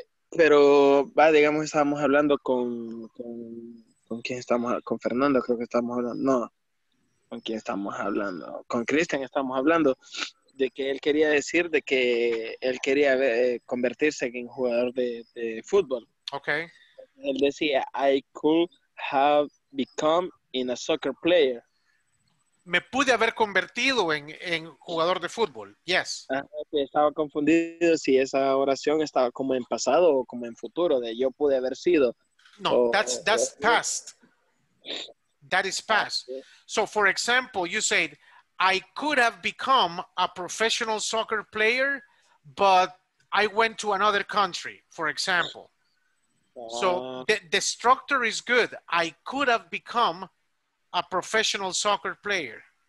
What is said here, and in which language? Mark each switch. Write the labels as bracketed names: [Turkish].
[Spanish] Pero va, digamos, estábamos hablando con quién estamos, con Fernando, creo que estamos hablando, no. ¿Con quién estamos hablando? Con Cristian estamos hablando de que él quería decir de que él quería convertirse en jugador de fútbol. [English] Okay. [Spanish] Él decía, [English] I could have become in a soccer player. [Spanish] Me pude haber convertido en jugador de fútbol, yes. Estaba confundido si esa oración estaba como en pasado o como en futuro, de yo pude haber sido. [English] No, that's past. That is past. So, for example, you said, I could have become a professional soccer player, but I went to another country, for example. So, the structure is good. I could have become a professional soccer player.